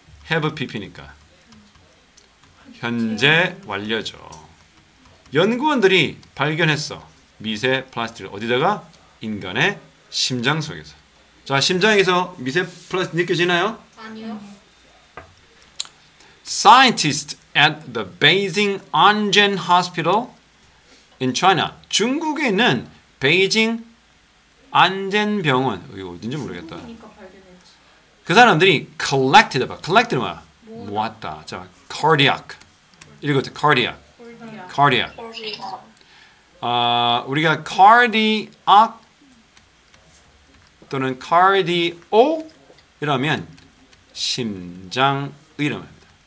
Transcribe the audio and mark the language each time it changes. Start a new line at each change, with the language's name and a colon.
Korean: Have PP니까. 현재 완료죠. 연구원들이 발견했어. 미세 플라스틱을 어디다가? 인간의 심장 속에서. 자, 심장에서 미세 플라스틱 느껴지나요? 아니요.
English: Scientists at the Beijing Anjian Hospital in China.
Korean: 중국에 있는 베이징 안젠 병원. 이거 어딘지 모르겠다. 그 사람들이 collected 봐. collected 뭐야? 모았다. 자, cardiac. 읽어도 cardiac. cardiac. 우리가 cardiac 또는 cardio 이러면 심장 이름입니다.